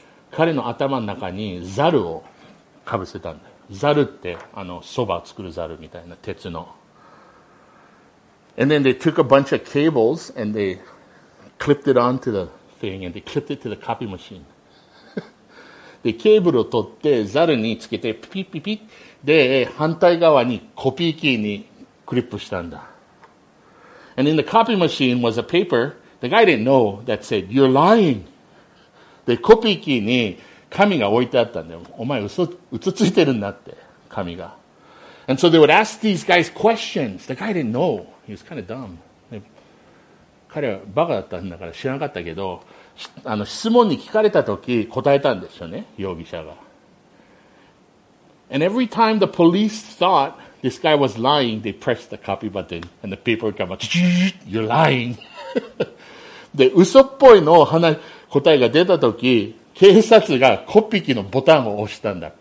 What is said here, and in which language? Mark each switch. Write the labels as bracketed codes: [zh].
[ja] 彼の頭の中にザルをかぶせたんだ。ザルってあのそばを作るザルみたいな鉄の。 [en] And then they took a bunch of cables and they clipped it onto the thing and they clipped it to the copy machine. [ja] で、ケーブルを取ってザルにつけてピッピッピッで反対側にコピー機にクリップしたんだ。 [en] And in the copy machine was a paper the guy didn't know that said, you're lying. [ja] で、コピー機に紙が置いてあったんだよ。お前嘘ついてるんだって、紙が。 [en] And so they would ask these guys questions. The guy didn't know. He was kind of dumb. [ja] 彼はバカだったんだから知らなかったけど、あの質問に聞かれたとき答えたんですよね、容疑者が。 [en] And every time the police thought this guy was lying, they pressed the copy button and the paper would come out. You're lying. [ja] で、嘘っぽいの答えが出たとき、警察がコピー機のボタンを押したんだ。